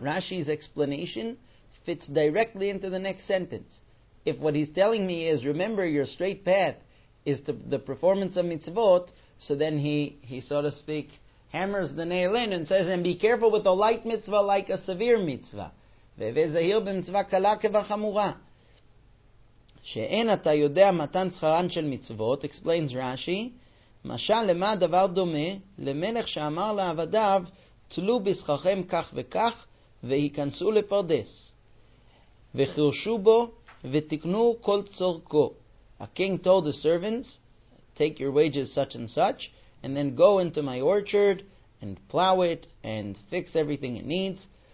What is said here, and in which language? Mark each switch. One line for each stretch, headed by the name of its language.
English: Rashi's explanation fits directly into the next sentence. If what he's telling me is, remember, your straight path is to the performance of mitzvot, so then he so to speak hammers the nail in and says, and be careful with a light mitzvah like a severe mitzvah.
Hebrew: וזהיר במצווה קלה כבחמורה שאין אתה יודע מתן שכרן של מצוות,
English: explains Rashi,
Hebrew: משל למה הדבר דומה למלך שאמר לעבדיו, תלו בשכרכם כך וכך והיכנסו לפרדס וחירשו בו ותקנו כל צורכו.
English: A king told the servants, take your wages such and such, and then go into my orchard and plow it and fix everything it needs.